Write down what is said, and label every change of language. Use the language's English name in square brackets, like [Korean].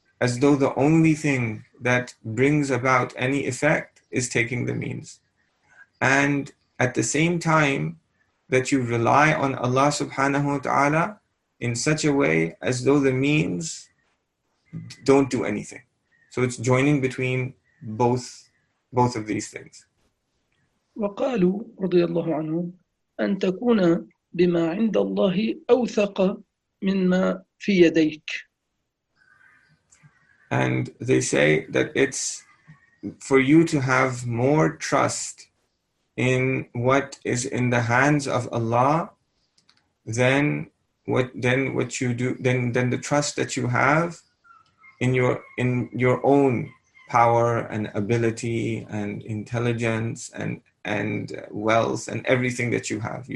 [English] As though the only thing that brings about any effect is taking the means. And at the same time, that you rely on Allah subhanahu wa ta'ala in such a way as though the means don't do anything. So it's joining between both of these things. [Arabic] وقالوا رضي الله عنهم أن تكون بما عند الله أوثق مما في يديك. [English] And they say that it's for you to have more trust in what is in the hands of Allah than the trust that you have in your own power and ability and intelligence and wealth and everything that you have.